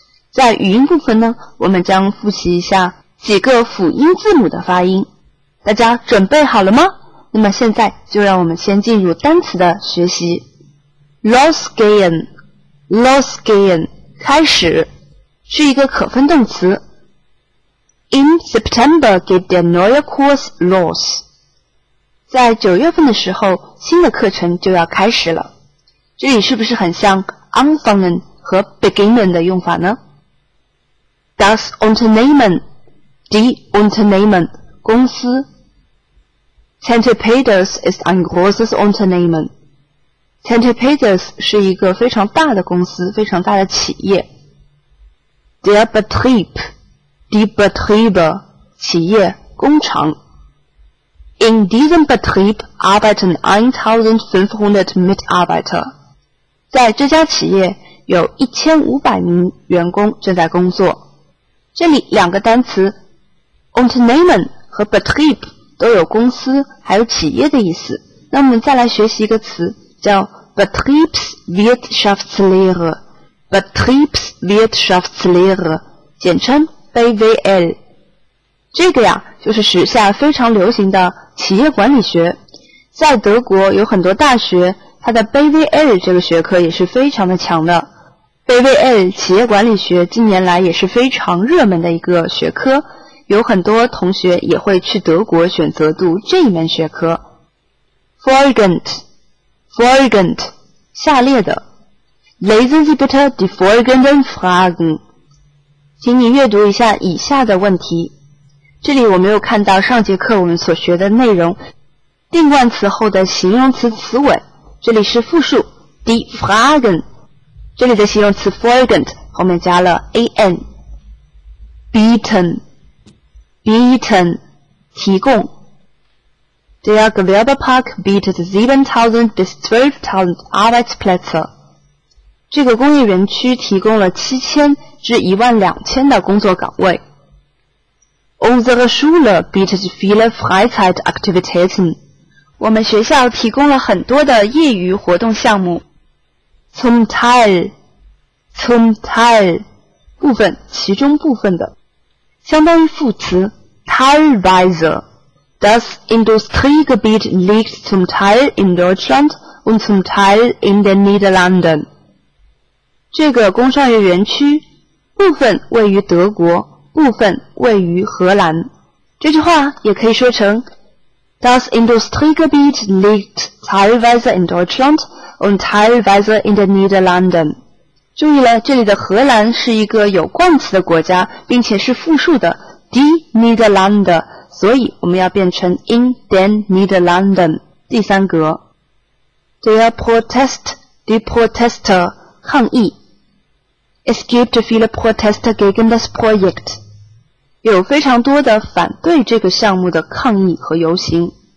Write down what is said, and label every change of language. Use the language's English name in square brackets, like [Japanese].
[Chinese] 在语音部分呢，我们将复习一下几个辅音字母的发音。大家准备好了吗？那么现在就让我们先进入单词的学习。 Losgehen Losgehen 开始是一个可分动词。 [German] In September geht der neue Kurs los. [Chinese] 在9月份的时候，新的课程就要开始了。这里是不是很像 anfangen 和 beginnen 的用法呢？ [German] Das Unternehmen, die Unternehmen, 公司。 Centipedes ist ein großes Unternehmen. [Chinese] Centipedes 是一个非常大的公司，非常大的企业。 [German] Der Betrieb, die Betriebe, 企业、工厂。 In diesem Betrieb arbeiten 1500 Mitarbeiter. [Chinese] 在这家企业有1500名员工正在工作。这里两个单词 Unternehmen 和 Betrieb 都有公司还有企业的意思。那我们再来学习一个词叫 Betriebswirtschaftslehre。 Betriebswirtschaftslehre 简称 BWL， 这个呀就是时下非常流行的企业管理学。在德国有很多大学，它的 BWL 这个学科也是非常的强的。 BWL 企业管理学近年来也是非常热门的一个学科，有很多同学也会去德国选择读这一门学科。 Folgend 下列的。 [German] Lesen Sie bitte die folgenden Fragen. [Chinese] 请你阅读一下以下的问题。这里我没有看到上节课我们所学的内容。定冠词后的形容词词尾，这里是复数 die Fragen。这里的形容词 folgend 后面加了 an。 Bieten 提供。 [German] Der Gewerbepark bietet 7000 bis 12000 Arbeitsplätze. [Chinese] 这个工业园区提供了7000至12000的工作岗位。 [German] Unsere Schule bietet viele Freizeitaktivitäten. [Chinese] 我们学校提供了很多的业余活动项目。 [German] Zum Teil, [Chinese] 部分，其中部分的，相当于副词 [German] teilweise. Das Industriegebiet liegt zum Teil in Deutschland und zum Teil in den Niederlanden. [Chinese] 这个工商业园区部分位于德国，部分位于荷兰。这句话也可以说成 [German] Das Industriegebiet liegt teilweise in Deutschland und teilweise in den Niederlanden. [Chinese] 注意了，这里的荷兰是一个有冠词的国家，并且是复数的 die Niederlande， 所以我们要变成 [German] in den Niederlanden， [Chinese] 第三格。 [German] Die Proteste, [Chinese] 抗议。 [German] Es gibt viele Proteste gegen das Projekt. [Chinese] 有非常多的反对这个项目的抗议和游行。